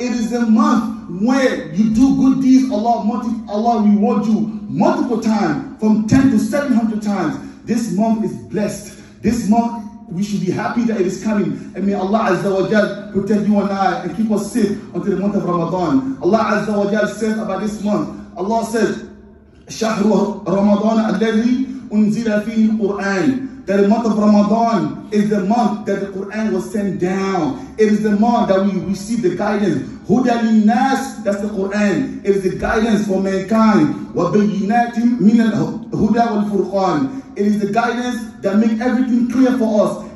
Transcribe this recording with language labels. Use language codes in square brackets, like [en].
[en] It is the month where you do good deeds. Allah reward you multiple times, from 10 to 700 times. This month is blessed. This month, we should be happy that it is coming. And may Allah Azza wa Jal protect you and I and keep us safe until the month of Ramadan. Allah Azza wa Jal says about this month. Allah says, [ar] شهر رمضان الذي أنزل فيه القرآن. [en] That the month of Ramadan is the month that the Quran was sent down. It is the month that we receive the guidance. [ar] هُدَى لِلنَّاسِ [en] That's the Quran. It is the guidance for mankind. [ar] وَبَيِّنَاتٍ مِنَ الْهُدَى وَالْفُرْقَانِ [en] It is the guidance that makes everything clear for us.